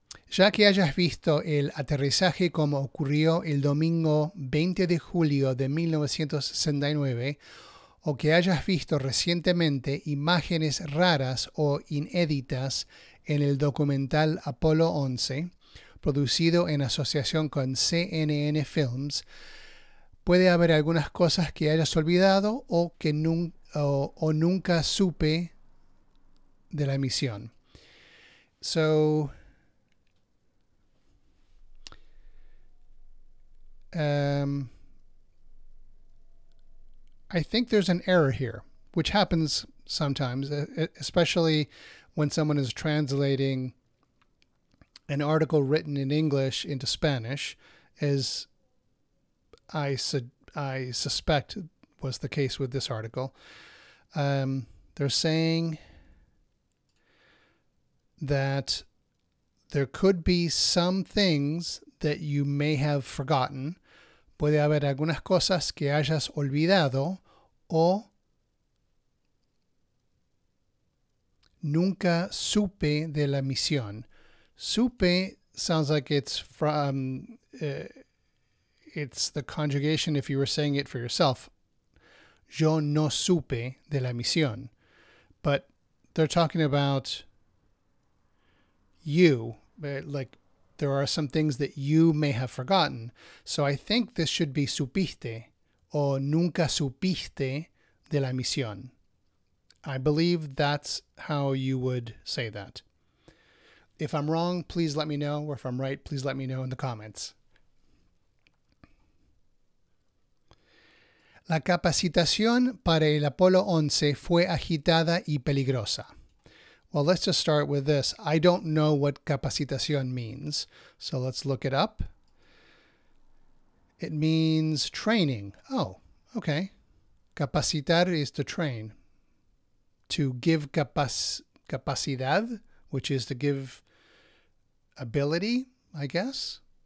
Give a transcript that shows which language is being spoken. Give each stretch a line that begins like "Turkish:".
Spanish: ya que hayas visto el aterrizaje como ocurrió el domingo 20 de julio de 1969, o que hayas visto recientemente imágenes raras o inéditas en el documental Apolo 11, producido en asociación con CNN Films, puede haber algunas cosas que hayas olvidado o que nunca supe... de la misión.
English: So, I think there's an error here, which happens sometimes, especially when someone is translating an article written in English into Spanish, as I suspect was the case with this article. They're saying that there could be some things that you may have forgotten.
Spanish: Puede haber algunas cosas que hayas olvidado o nunca supe de la misión.
English: Supe sounds like it's from, it's the conjugation if you were saying it for yourself.
Spanish: Yo no supe de la misión.
English: But they're talking about you, like there are some things that you may have forgotten. So I think this should be
Spanish: supiste o nunca supiste de la misión.
English: I believe that's how you would say that. If I'm wrong, please let me know. Or if I'm right, please let me know in the comments.
Spanish: La capacitación para el Apolo 11 fue agitada y peligrosa.
English: Well, let's just start with this. I don't know what capacitación means, so let's look it up. It means training. Oh, okay. Capacitar is to train. To give capacidad, which is to give ability, I guess.